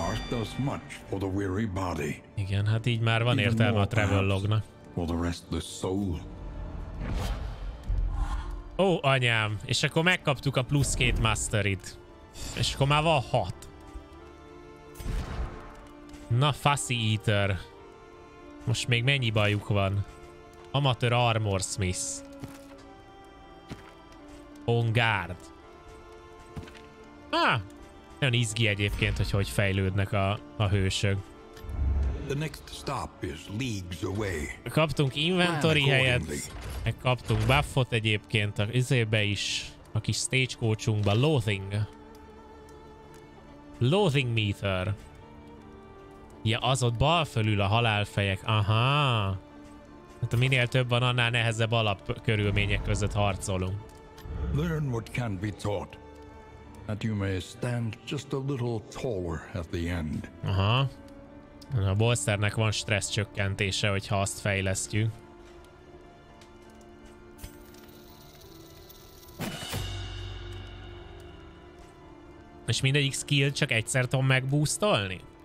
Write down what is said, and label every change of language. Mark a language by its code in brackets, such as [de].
[en] Does much for the weary body. [hu] Igen, hát így már van értelme a travellognak. [en] For the restless soul. [hu] Ó, anyám, és akkor megkaptuk a plusz két masterit. És akkor már van 6. Na, Fussy Eater. Most még mennyi bajuk van? [en] Amateur Armor Smith. [hu] On Guard. Ah! Nagyon izgi egyébként, hogy hogy fejlődnek a hősök. [en] The next stop is leagues away. [hu] Kaptunk inventory helyet, meg kaptunk buffot egyébként a üzébe is, a kis stagecoachunkba, Loathing. [en] Loathing meter. [hu] Ja, az ott bal fölül a halálfejek. Aha. Hát minél több van, annál nehezebb alap körülmények között harcolunk. [en] Learn what can be taught, that you may stand just a little taller at the end. Aha. [hu] A bolsternek van stressz csökkentése, hogyha azt fejlesztjük. És mindegyik skill csak egyszer tudom megboostolni?